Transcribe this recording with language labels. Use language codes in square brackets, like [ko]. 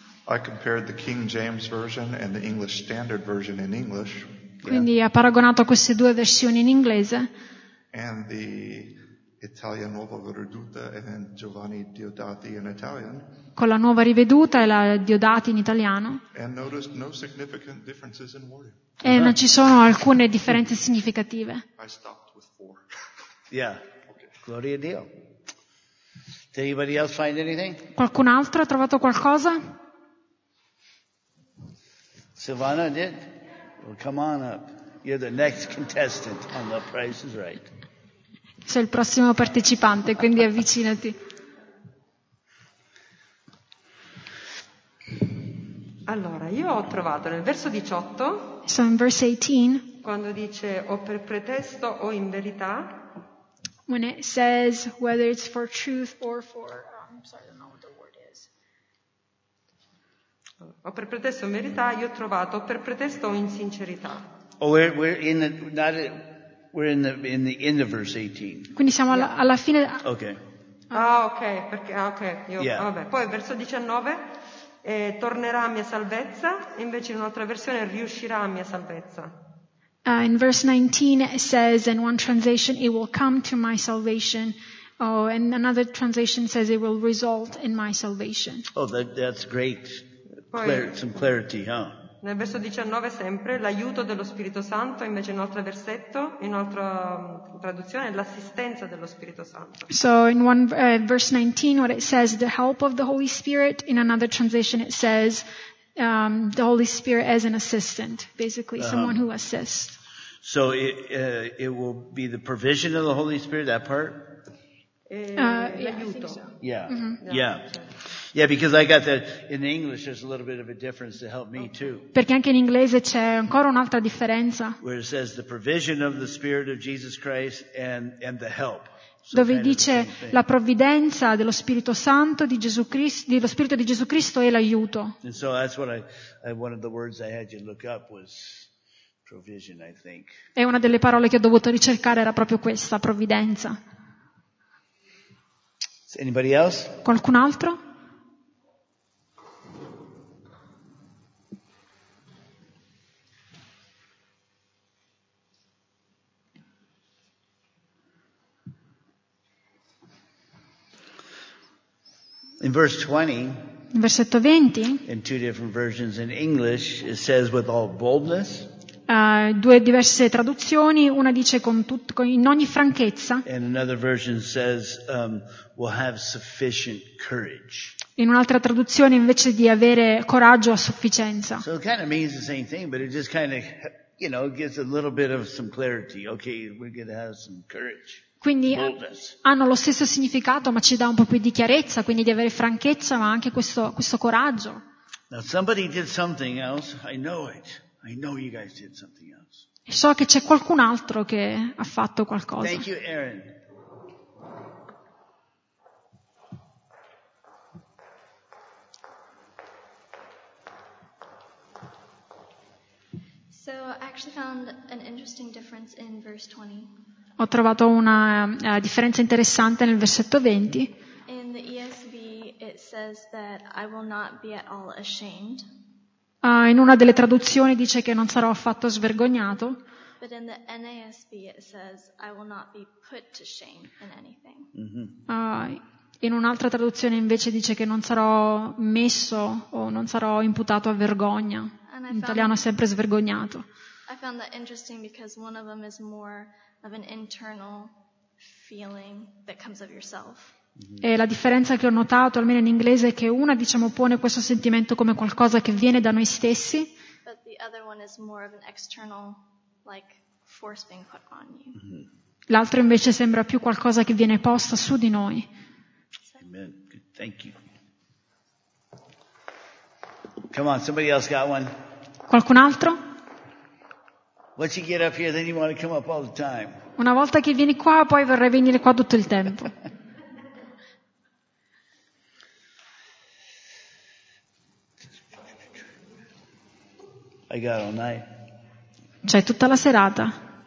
[en] I compared the King James version and the English Standard version in English. [it] Quindi ha paragonato queste due versioni in inglese. [en] And the Italia Nuova Riveduta and Giovanni Diodati in Italian. [it] Con la Nuova Riveduta e la Diodati in italiano. [en] And noticed no significant differences in wording. [it] E non ci sono alcune differenze significative. [en] I stopped with four. Yeah. Okay. [it] Gloria a Dio. [en] Did anybody else find anything? [it] Qualcun altro ha trovato qualcosa? [en] Silvana did? Well, come on up. You're the next contestant on The Price is Right. [it] Sei il prossimo partecipante, quindi avvicinati. Allora, io ho trovato nel verso 18, [en] so in verse 18, [it] quando dice o per pretesto o in verità, [en] when it says whether it's for truth or for, I'm sorry, I don't know what the word is. [it] O per pretesto o in verità, io ho trovato o per pretesto o in sincerità. [en] Oh, we're in the end of verse 18. [it] Quindi siamo alla fine. [en] Okay. [it] Vabbè. Poi verso 19. E tornerà a mia salvezza, invece in un'altra versione riuscirà a mia salvezza. [en] In verse 19 it says, in one translation, it will come to my salvation. Oh, and another translation says it will result in my salvation. Oh, that's great. Poi, some clarity, huh? [it] Nel verso 19 sempre, l'aiuto dello Spirito Santo, invece in un altro versetto, in un'altra traduzione, l'assistenza dello Spirito Santo. [en] So in one verse 19 what it says, the help of the Holy Spirit, in another translation it says, the Holy Spirit as an assistant, basically someone who assists. So it will be the provision of the Holy Spirit, that part? [it] L'aiuto. [en] Yeah, mm-hmm. Yeah. Yeah, because I got that in English there's a little bit of a difference to help me too. [it] Perché anche in inglese c'è ancora un'altra differenza. [en] Where it says the provision of the Spirit of Jesus Christ and the help. [it] Dove dice la provvidenza dello Spirito Santo di Gesù Cristo, dello Spirito di Gesù Cristo e l'aiuto. [en] And so that's what I one of the words I had you look up was provision, I think. [it] E una delle parole che ho dovuto ricercare era proprio questa, provvidenza. [en] Anybody else? [it] Qualcun altro? [en] In verse 20, [it] versetto 20, [en] in two different versions in English, it says with all boldness. [it] Due diverse traduzioni, una dice in ogni franchezza. [en] And another version says, we'll have sufficient courage. [it] In un'altra traduzione invece di avere coraggio a sufficienza. [en] So it kind of means the same thing, but it just kind of, you know, gives a little bit of some clarity. Okay, we're going to have some courage. [it] Quindi hanno lo stesso significato, ma ci dà un po' più di chiarezza, quindi di avere franchezza, ma anche questo coraggio. [en] Now somebody did something else. I know it. I know you guys did something else. [it] E so che c'è qualcun altro che ha fatto qualcosa. [en] Thank you, Aaron. So I actually found an interesting difference in verse 20. [it] Ho trovato una differenza interessante nel versetto 20. [en] In the ESV it says that I will not be at all ashamed. [it] In una delle traduzioni dice che non sarò affatto svergognato. [en] But in the NASB it says I will not be put to shame in anything. [it] In un'altra traduzione invece dice che non sarò messo o non sarò imputato a vergogna. In italiano è sempre svergognato. [en] I found that interesting because one of them is more of an internal feeling that comes of yourself. [it] E la differenza che ho notato, almeno in inglese, è che una, diciamo, pone questo sentimento come qualcosa che viene da noi stessi. [en] But the other one is more of an external, like, force being put on you. [it] L'altro invece sembra più qualcosa che viene posta su di noi. [en] Amen. Good. Thank you. Come on, somebody else got one? [it] Qualcun altro? [en] Once you get up here, then you want to come up all the time. [it] Una volta che vieni qua, poi vorrei venire qua tutto il tempo. [en] I got all night. [it] C'è tutta la serata.